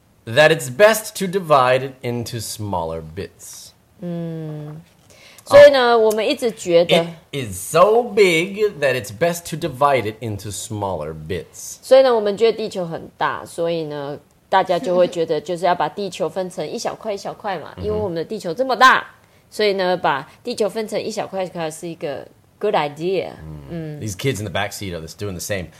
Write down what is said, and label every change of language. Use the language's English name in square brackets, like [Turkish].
[English] That it's best to divide it into smaller bits. [Chinese] 所以呢，我们一直觉得 [English] It is so big that it's best to divide it into smaller bits. [Chinese] 所以呢，我们觉得地球很大，所以呢。大家就会觉得就是要把地球分成一小块一小块嘛，因为我们的地球这么大，所以呢，把地球分成一小块一小块是一个 [English] good idea. These kids in the backseat are just doing the same.